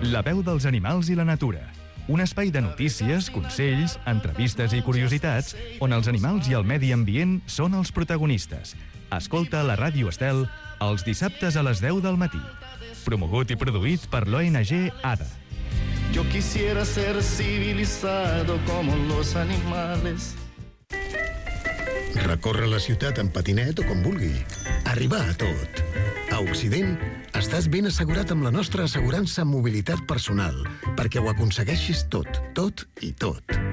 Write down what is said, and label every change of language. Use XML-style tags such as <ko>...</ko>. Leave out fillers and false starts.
<ca>La veu dels animals i la natura. Un espai de notícies, consells, entrevistes i curiositats on els animals i el medi ambient són els protagonistes. Escolta la Ràdio Estel els dissabtes a les 10 del matí. Promogut i produït per l'ONG ADA.</ca> <es>Yo quisiera ser civilizado como los animales.</es> <ca>Recorre la ciutat en patinet o com vulgui. Arribar a tot. A Occident, estàs ben assegurat amb la nostra assegurança mobilitat personal, perquè ho aconsegueixis tot, tot i tot.</ca>